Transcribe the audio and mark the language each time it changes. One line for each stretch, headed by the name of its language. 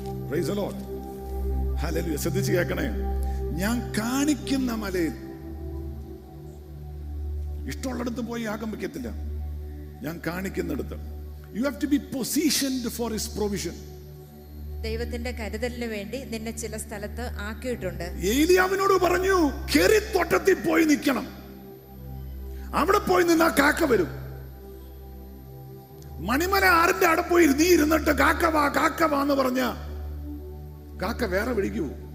English: Praise the Lord. Hallelujah.
Malayalam: ശ്രദ്ധിച്ച് കേൾക്കണേ, ഞാൻ കാണിക്കുന്ന മലയിൽ. ഇഷ്ടമുള്ളടത്ത് പോയി യാഗം വയ്ക്കത്തില്ല, ഞാൻ കാണിക്കുന്നിടത്ത്.
English: You have to be positioned for his provision.
Malayalam: ദൈവത്തിന്റെ കരുതലിന് വേണ്ടി നിന്നെ ചില സ്ഥലത്ത് ആക്കിയിട്ടുണ്ട്. ഏലിയാവിനോട് പറഞ്ഞു, കേറി തോട്ടത്തിൽ പോയി നിൽക്കണം, അവിടെ പോയി നിന്നാ കാക്ക വരും. മണിമല ആറിന്റെ അവിടെ പോയി നീ ഇരുന്നിട്ട് കാക്കവാ കാക്കവാ എന്ന് പറഞ്ഞ കാക്ക വേറെ വിളിക്കൂ.